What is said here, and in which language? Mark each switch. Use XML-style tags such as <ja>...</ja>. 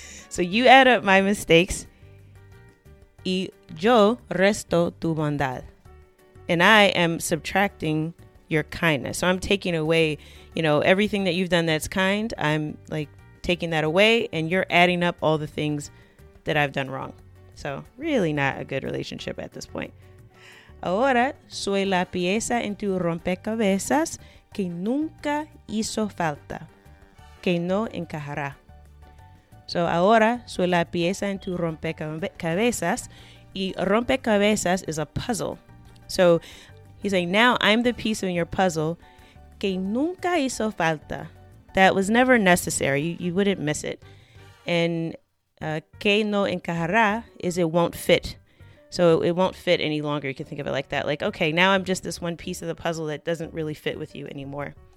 <en>So you add up my mistakes.</en> <es>Y yo resto tu bondad.</es> <en>And I am subtracting your kindness. So I'm taking away, you know, everything that you've done that's kind. I'm like taking that away, and you're adding up all the things that I've done wrong. So really not a good relationship at this point.</en> <es>Ahora soy la pieza en tu rompecabezas que nunca hizo falta, que no encajará. So ahora soy la pieza en tu rompecabezas, y rompecabezas</es> <en>is a puzzle. So he's saying, now I'm the piece in your puzzle</en> <es>que nunca hizo falta,</es> <en>that was never necessary. You wouldn't miss it. And</en> <es>que no encajará</es> <en>is it won't fit. So it won't fit any longer. You can think of it like that. Like, okay, now I'm just this one piece of the puzzle that doesn't really fit with you anymore.</en>